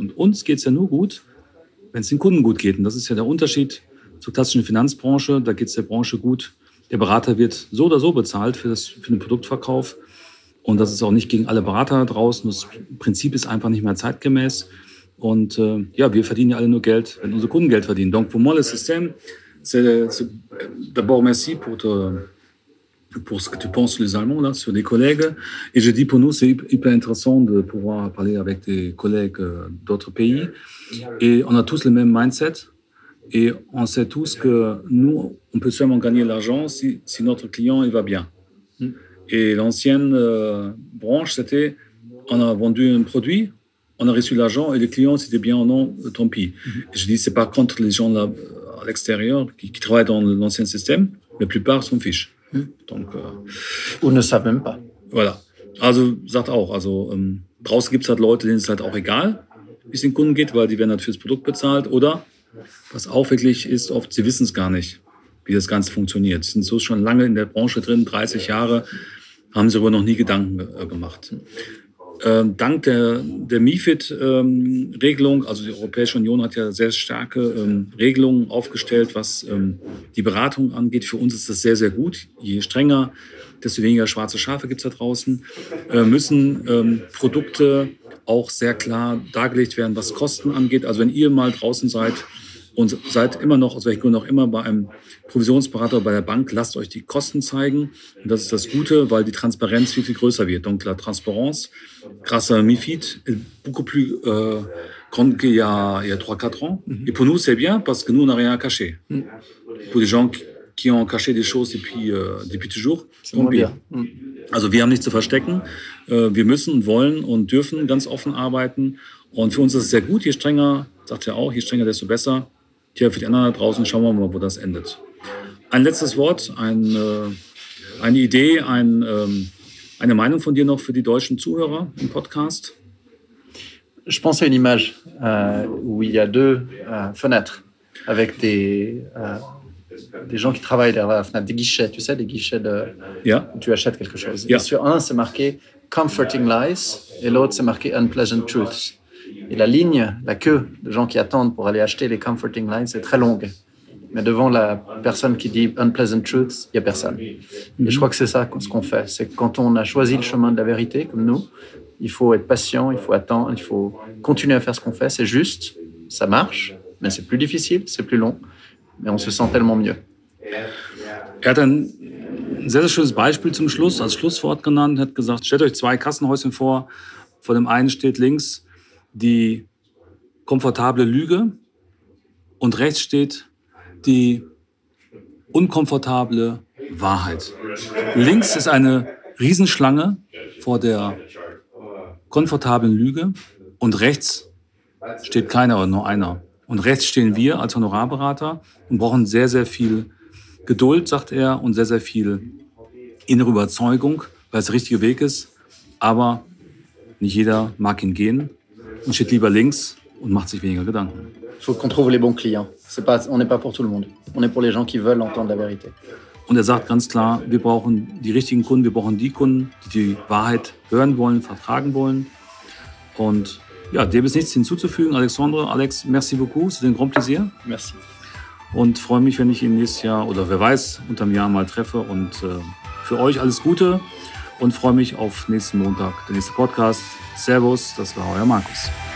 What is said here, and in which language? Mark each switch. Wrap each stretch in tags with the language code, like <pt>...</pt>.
<de>Und uns geht es ja nur gut, wenn es den Kunden gut geht. Und das ist ja der Unterschied zur klassischen Finanzbranche. Da geht es der Branche gut. Der Berater wird so oder so bezahlt für den Produktverkauf. Und das ist auch nicht gegen alle Berater da draußen. Das Prinzip ist einfach nicht mehr zeitgemäß. Und ja, wir verdienen ja alle nur Geld, wenn unsere Kunden Geld verdienen.</de> <fr>Donc, pour moi, le système, c'est d'abord merci pour ce que tu penses sur les Allemands, là, sur les collègues. Et je dis pour nous, c'est hyper intéressant de pouvoir parler avec des collègues d'autres pays. Et on a tous le même mindset. Et on sait tous que nous, on peut seulement gagner l'argent si notre client, il va bien. Et l'ancienne branche, c'était, on a vendu un produit, on a reçu l'argent et le client, c'était bien ou non, tant pis. Mm-hmm. Je dis, c'est pas contre les gens là, à l'extérieur qui travaillent dans l'ancien système, la plupart s'en fichent. Mm-hmm. Donc, ou ne savent même pas. Voilà.</fr> <de>Also, sagt auch, also, draußen gibt es halt Leute, denen es halt auch egal, wie es den Kunden geht, weil die werden halt fürs Produkt bezahlt. Oder, was auch wirklich ist, oft, sie wissen es gar nicht, wie das Ganze funktioniert. Sie sind so schon lange in der Branche drin, 30 Jahre, haben sie aber noch nie Gedanken gemacht. Dank der MiFID-Regelung, also die Europäische Union hat ja sehr starke Regelungen aufgestellt, was die Beratung angeht. Für uns ist das sehr, sehr gut. Je strenger, desto weniger schwarze Schafe gibt es da draußen. Müssen Produkte auch sehr klar dargelegt werden, was Kosten angeht. Also wenn ihr mal draußen seid, und seid immer noch, aus welchem Grund auch immer, bei einem Provisionsberater oder bei der Bank, lasst euch die Kosten zeigen. Und das ist das Gute, weil die Transparenz viel, viel größer wird.</de> <fr>Donc la transparence, grâce à MiFID, est beaucoup plus grande qu'il y a 3-4 ans. Mm-hmm. Et pour nous, c'est bien, parce que nous, on n'a rien à cacher. Mm. Pour les gens qui ont caché des choses depuis toujours, c'est bon bien.</fr> <de>Also wir haben nichts zu verstecken. Wir müssen, wollen und dürfen ganz offen arbeiten. Und für uns ist es sehr gut,</de> <fr>je strenger,</fr> <de>sagt er auch, je strenger, desto besser. Tja, für die anderen da draußen schauen wir mal, wo das endet. Ein letztes Wort, eine Idee, eine Meinung von dir noch für die deutschen Zuhörer im Podcast?</de> <fr>Je pense à une image où il y a deux fenêtres avec des gens qui travaillent derrière la fenêtre, des guichets, tu sais, des guichets de,</fr> <de>ja,</de> <fr>où tu achètes quelque chose.</fr> <de>Ja.</de> <fr>Et sur un, c'est marqué</fr> <en>comforting lies</en> <fr>et l'autre c'est marqué</fr> <en>unpleasant truths.</en> <fr>Et la ligne, la queue de gens qui attendent pour aller acheter les</fr> <en>comforting lies</en> <fr>est très longue. Mais devant la personne qui dit</fr> <en>unpleasant truths,</en> <fr>il n'y a personne. Et je crois que c'est ça ce qu'on fait. C'est que quand on a choisi le chemin de la vérité, comme nous, il faut être patient, il faut attendre, il faut continuer à faire ce qu'on fait. C'est juste, ça marche, mais c'est plus difficile, c'est plus long, mais on se sent tellement mieux.</fr> <de>Er hat ein sehr, sehr schönes Beispiel zum Schluss, als Schlusswort genannt, hat gesagt, stellt euch zwei Kassenhäuschen vor. Vor dem einen steht links die komfortable Lüge und rechts steht die unkomfortable Wahrheit. Links ist eine Riesenschlange vor der komfortablen Lüge und rechts steht keiner oder nur einer. Und rechts stehen wir als Honorarberater und brauchen sehr, sehr viel Geduld, sagt er, und sehr, sehr viel innere Überzeugung, weil es der richtige Weg ist. Aber nicht jeder mag ihn gehen und steht lieber links und macht sich weniger Gedanken.</de> <fr>Il faut qu'on trouve les bons clients. C'est pas, on n'est pas pour tout le monde. On est pour les gens qui veulent entendre la vérité.</fr> <de>Und er sagt ganz klar, wir brauchen die richtigen Kunden, wir brauchen die Kunden, die die Wahrheit hören wollen, vertragen wollen. Und ja, dem ist nichts hinzuzufügen.</de> <fr>Alexandre, Alex, merci beaucoup, c'est un grand plaisir. Merci.</fr> <de>Und freue mich, wenn ich ihn nächstes Jahr oder wer weiß, unterm Jahr mal treffe. Und für euch alles Gute und freue mich auf nächsten Montag, der nächste Podcast. Servus, das war euer Markus.</de>